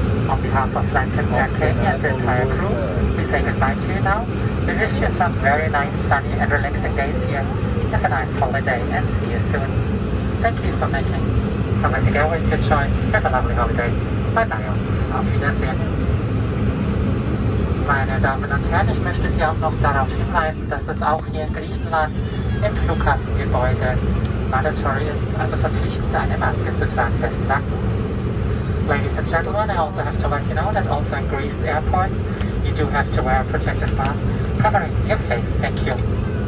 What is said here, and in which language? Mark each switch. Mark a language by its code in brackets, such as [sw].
[en] On behalf of flight captain Jörg Kägi and the entire crew, we say goodbye to you now. We wish you some very nice, sunny and relaxing days here. Have a nice holiday and see you soon. Thank you for making Atlantic Airways your choice. Have a lovely holiday. Bye-bye und auf Wiedersehen. [de] Meine Damen und Herren, ich möchte Sie auch noch darauf hinweisen, dass es auch hier in Griechenland im Flughafengebäude mandatory ist, also verpflichtend eine Maske zu tragen. Besten Dank. [en] Ladies and gentlemen, I also have to let you know that also in Greece airports, you do have to wear a protective mask covering your face. Thank you.